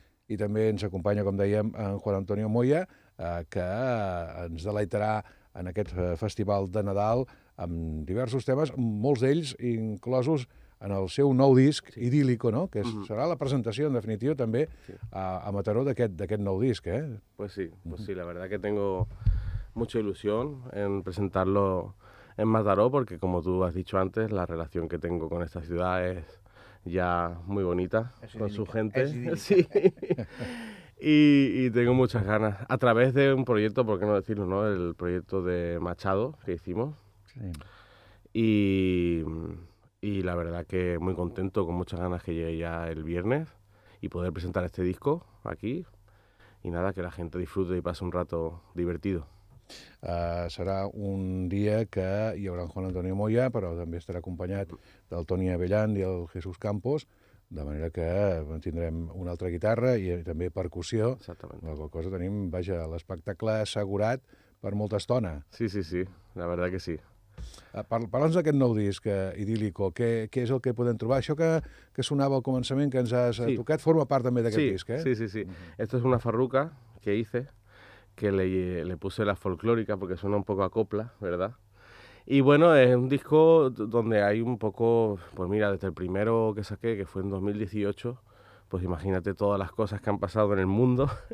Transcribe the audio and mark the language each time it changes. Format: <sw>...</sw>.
<ca>I també ens acompanya, com dèiem, en Juan Antonio Moya, que ens deleitarà en aquest Festival de Nadal amb diversos temes, molts d'ells inclosos en el seu nou disc, sí, Idílico, no? Que serà la presentació, en definitiva, també, sí, a Mataró d'aquest nou disc, eh?</ca> <es>Pues sí, la verdad que tengo mucha ilusión en presentarlo en Mataró, porque como tú has dicho antes, la relación que tengo con esta ciudad es ya muy bonita, es idílica. Su gente. Sí. y tengo muchas ganas, a través de un proyecto, por qué no decirlo, ¿no? El proyecto de Machado que hicimos. Sí. Y la verdad que muy contento, con muchas ganas que llegue ya el viernes y poder presentar este disco aquí. Y nada, que la gente disfrute y pase un rato divertido.</es> <ca>Serà un dia que hi haurà en Juan Antonio Moya, però també estarà acompanyat del Toni Avellán i el Jesús Campos, de manera que tindrem una altra guitarra i també percussió. Exactament. Alguna cosa tenim, vaja, l'espectacle assegurat per molta estona.</ca> <es>Sí, sí, sí, la verdad que sí.</es> <ca>Parla'ns d'aquest nou disc, Idílico, què és el que podem trobar? Això que sonava al començament, que ens has tocat, forma part també d'aquest disc, eh?</ca> <es>Sí, sí, sí. Esto es una farruca que hice, que le puse la folclórica porque suena un poco a copla, ¿verdad? Y bueno, es un disco donde hay un poco, pues mira, desde el primero que saqué, que fue en 2018, pues imagínate todas las cosas que han pasado en el mundo.</es>